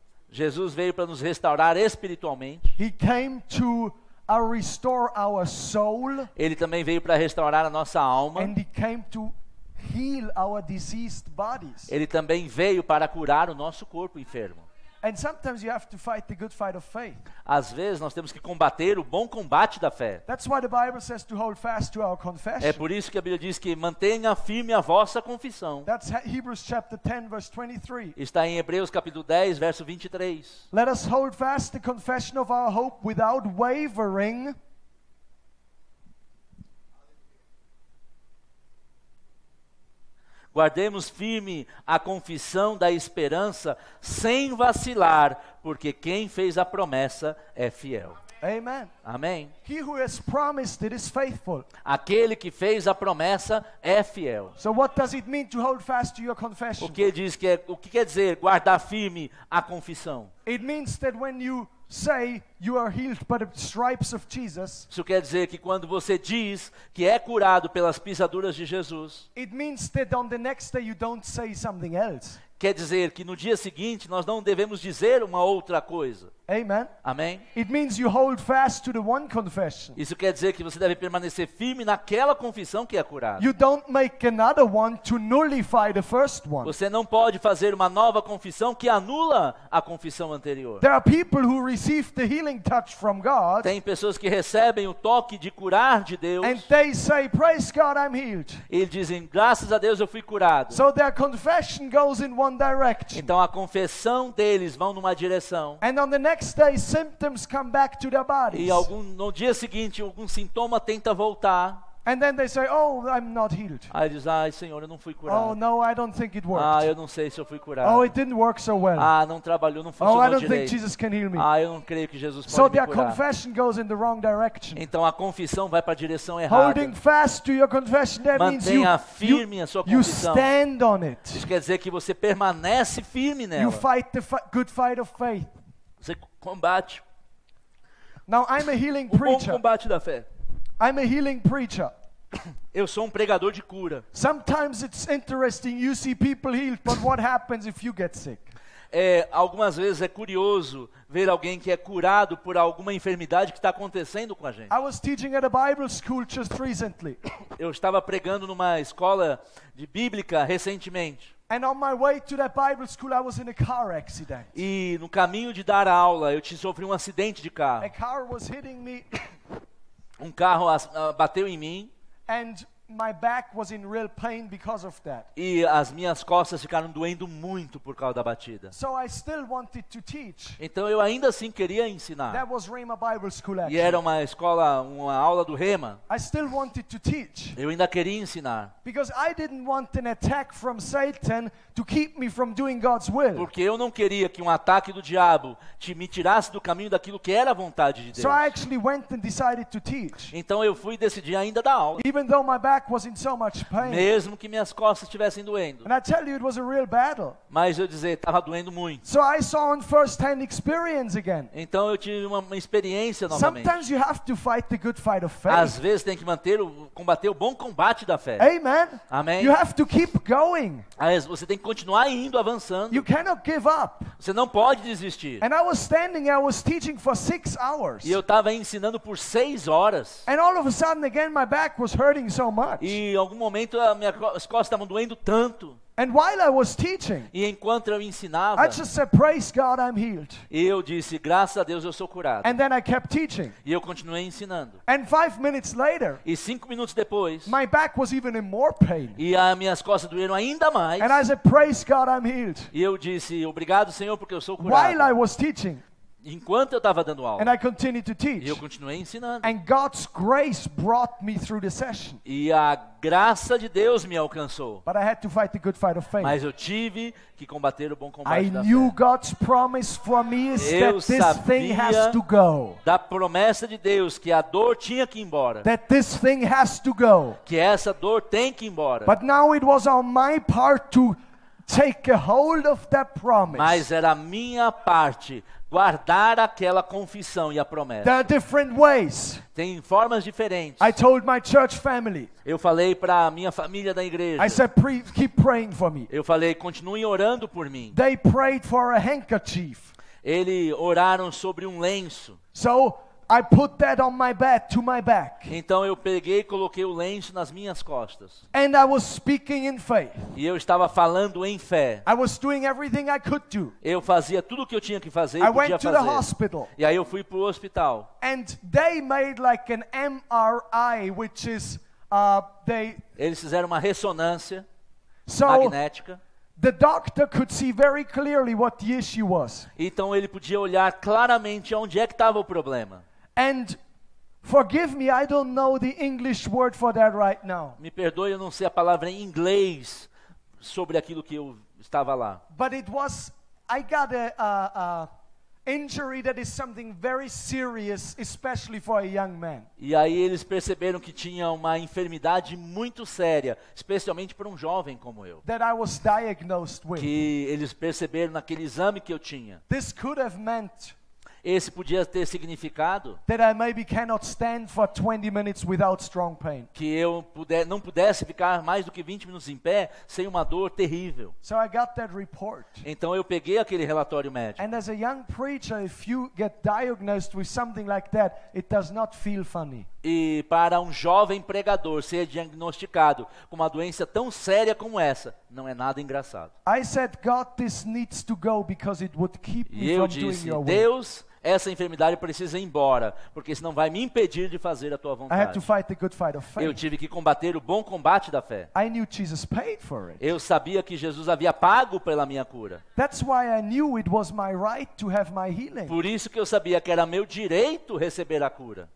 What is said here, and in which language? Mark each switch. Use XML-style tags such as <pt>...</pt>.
<pt>Jesus veio para nos restaurar espiritualmente.</pt> <en>He came to restore our soul.</en> <pt>Ele também veio para restaurar a nossa alma.</pt> <en>And he came to heal our diseased bodies.</en> <pt>Ele também veio para curar o nosso corpo enfermo.</pt> <en>And sometimes you have to fight the good fight of faith.</en> <pt>Às vezes nós temos que combater o bom combate da fé.</pt> <en>That's why the Bible says to hold fast to our confession.</en> <pt>É por isso que a Bíblia diz que mantenha firme a vossa confissão.</pt> <en>That's Hebrews chapter 10 verse 23.</en> <pt>Está em Hebreus capítulo 10 verso 23.</pt> <en>Let us hold fast the confession of our hope without wavering.</en> <pt>Guardemos firme a confissão da esperança sem vacilar, porque quem fez a promessa é fiel.</pt> <en>Amen.</en> <pt>Amém.</pt> <en>He who has promised it is faithful.</en> <pt>Aquele que fez a promessa é fiel.</pt> <en>So what does it mean to hold fast to your confession?</en> <pt>O que quer dizer guardar firme a confissão?</pt> <en>It means that when you say you are healed by the stripes of Jesus.</en> <pt>Isso quer dizer que quando você diz que é curado pelas pisaduras de Jesus.</pt> <en>It means that on the next day you don't say something else.</en> <pt>Quer dizer que no dia seguinte nós não devemos dizer uma outra coisa.</pt> <en>Amen.</en> <pt>Amém.</pt> <en>It means you hold fast to the one confession.</en> <pt>Isso quer dizer que você deve permanecer firme naquela confissão que é curada.</pt> <en>You don't make another one to nullify the first one.</en> <pt>Você não pode fazer uma nova confissão que anula a confissão anterior.</pt> <en>There are people who receive the healing touch from God.</en> <pt>Tem pessoas que recebem o toque de curar de Deus.</pt> <en>And they say, "Praise God, I'm healed."</en> <pt>Eles dizem, "Graças a Deus, eu fui curado."</pt> <en>So their confession goes in one direction.</en> <pt>Então a confissão deles vão numa direção.</pt> <en>And on the next day symptoms come back to their bodies.</en> <pt>E no dia seguinte algum sintoma tenta voltar.</pt> <en>And then they say, "Oh, I'm not healed."</en> <pt>Aí diz, "Ai, Senhor, eu não fui curado."</pt> <en>"Oh, no, I don't think it worked."</en> <pt>"Ah, eu não sei se eu fui curado."</pt> <en>"Oh, it didn't work so well."</en> <pt>"Ah, não trabalhou, não funcionou direito."</pt> <en>"Oh, I don't</en> <pt>direito.</pt> <en>Think Jesus can heal me."</en> <pt>"Ah, eu não creio que Jesus pode</pt> <en>so</en> <pt>me curar."</pt> <en>So their confession goes in the wrong direction.</en> <pt>Então a confissão vai para a direção errada.</pt> <en>Holding fast to your confession, that</en> <pt>mantenha</pt> <en>means you,</en> <pt>firme</pt> <en>you,</en> <pt>a sua confissão.</pt> <en>You stand on it.</en> <pt>Isso quer dizer que você permanece firme nela.</pt> <en>You fight the good fight of faith.</en> <pt>Você combate.</pt> <en>Now I'm a healing preacher.</en> <pt>O bom combate da fé.</pt> <en>I'm a healing preacher.</en> <pt>Eu sou um pregador de cura.</pt> <en>Sometimes it's interesting you see people healed, but what happens if you get sick?</en> <pt>É, algumas vezes é curioso ver alguém que é curado por alguma enfermidade que está acontecendo com a gente.</pt> <en>I was teaching at a Bible school just recently.</en> <pt>Eu estava pregando numa escola de bíblica recentemente.</pt> <en>And on my way to that Bible school, I was in a car accident.</en> <pt>E no caminho de dar a aula, eu sofri um acidente de carro.</pt> <en>A car was hitting me.</en> <pt>Um carro bateu em mim.</pt> <en>And my back was in real pain because of that.</en> <pt>E as minhas costas ficaram doendo muito por causa da batida.</pt> <en>So I still wanted to teach.</en> <pt>Então eu ainda assim queria ensinar.</pt> <en>That was Rhema Bible School, actually.</en> <pt>E era uma escola, uma aula do Rhema.</pt> <en>I still wanted to teach.</en> <pt>Eu ainda queria ensinar.</pt> <en>Because I didn't want an attack from Satan to keep me from doing God's will.</en> <pt>Porque eu não queria que um ataque do diabo me tirasse do caminho daquilo que era a vontade de Deus.</pt> <en>So I actually went and decided to teach.</en> <pt>Então eu fui decidir ainda dar aula.</pt> <en>Even though my back was in so much pain.</en> <pt>Mesmo que minhas costas estivessem doendo.</pt> <en>And I tell you, it was a real battle.</en> <pt>Mas eu dizer, estava doendo muito.</pt> <en>So I saw on first-hand experience again.</en> <pt>Então eu tive uma experiência novamente.</pt> <en>Sometimes you have to fight the good fight of faith.</en> <pt>Às vezes tem que combater o bom combate da fé.</pt> <en>Amen.</en> <pt>Amém.</pt> <en>You have to keep going.</en> <pt>Aí você tem que continuar indo, avançando.</pt> <en>You cannot give up.</en> <pt>Você não pode desistir.</pt> <en>And I was standing, I was teaching for 6 hours.</en> <pt>E eu estava ensinando por 6 horas.</pt> <en>And all of a sudden again my back was hurting so much.</en> <pt>E em algum momento as minhas costas estavam doendo tanto.</pt> <en>And while I was teaching,</en> <pt>e enquanto eu ensinava,</pt> <en>I just said, "Praise God, I'm healed."</en> <pt>E eu disse, graças a Deus, eu sou curado.</pt> <en>And then I kept teaching.</en> <pt>E eu continuei ensinando.</pt> <en>And 5 minutes later,</en> <pt>e 5 minutos depois,</pt> <en>my back was even in more pain.</en> <pt>E as minhas costas doeram ainda mais.</pt> <en>And I said, "Praise God, I'm healed."</en> <pt>E eu disse, obrigado, Senhor, porque eu sou curado.</pt> <en>While I was teaching.</en> <pt>Enquanto eu estava dando aula.</pt> <en>And I continued to teach.</en> <pt>E eu continuei ensinando.</pt> <en>And God's grace brought me through the session.</en> <pt>E a graça de Deus me alcançou.</pt> <en>But I had to fight the good fight of faith.</en> <pt>Mas eu tive que combater o bom combate</pt> <en>I</en> <pt>da fé.</pt> <en>I knew God's promise for me is</en> <pt>eu</pt> <en>that this thing has to go.</en> <pt>Da promessa de Deus que a dor tinha que ir embora.</pt> <en>That this thing has to go.</en> <pt>Que essa dor tem que ir embora.</pt> <en>But now it was on my part to take a hold of that promise.</en> <pt>Mas era a minha parte guardar aquela confissão e a promessa.</pt> <en>There are different ways.</en> <pt>Tem formas diferentes.</pt> <en>I told my church family.</en> <pt>Eu falei para a minha família da igreja.</pt> <en>I said, keep praying for me.</en> <pt>Eu falei, continue orando por mim.</pt> <en>They prayed for a handkerchief.</en> <pt>Eles oraram sobre um lenço.</pt> <en>So I put that on my back, to my back.</en> <pt>Então eu peguei e coloquei o lenço nas minhas costas.</pt> <en>And I was speaking in faith.</en> <pt>E eu estava falando em fé.</pt> <en>I was doing everything I could do.</en> <pt>Eu fazia tudo o que eu tinha que fazer e podia fazer.</pt> <en>I went to the hospital.</en> <pt>E aí eu fui para o hospital.</pt> <en>And they made like an MRI, which is they.</en> <pt>Eles fizeram uma ressonância</pt> <en>so,</en> <pt>magnética.</pt> <en>The doctor could see very clearly what the issue was.</en> <pt>Então ele podia olhar claramente onde é que estava o problema.</pt> <en>And forgive me, I don't know the English word for that right now.</en> <pt>Me perdoe, eu não sei a palavra em inglês sobre aquilo que eu estava lá.</pt> <en>But it was, I got a injury that is something very serious, especially for a young man.</en> <pt>E aí eles perceberam que tinha uma enfermidade muito séria, especialmente para um jovem como eu.</pt> <en>That I was diagnosed with.</en> <pt>Que eles perceberam naquele exame que eu tinha.</pt> <en>This could have meant.</en> <pt>Esse podia ter significado.</pt> <en>That I maybe cannot stand for 20 minutes without strong pain.</en> <pt>Que eu não pudesse ficar mais do que 20 minutos em pé sem uma dor terrível.</pt> <en>So I got that report.</en> <pt>Então eu peguei aquele relatório médico.</pt> <en>And as a young preacher, if you get diagnosed with something like that, it does not feel funny.</en> <pt>E para um jovem pregador ser diagnosticado com uma doença tão séria como essa, não é nada engraçado.</pt> <en>I said, God, this needs to go because it would keep me from doing your will.</en> <pt>Deus, essa enfermidade precisa ir embora, porque senão vai me impedir de fazer a tua vontade.</pt> <en>I had to fight the good fight of faith.</en> <pt>Eu tive que combater o bom combate da fé.</pt> <en>I knew Jesus paid for it.</en> <pt>Eu sabia que Jesus havia pago pela minha cura.</pt> <en>That's why I knew it was my right to have my healing.</en> <pt>Por isso que eu sabia que era meu direito receber a cura.</pt>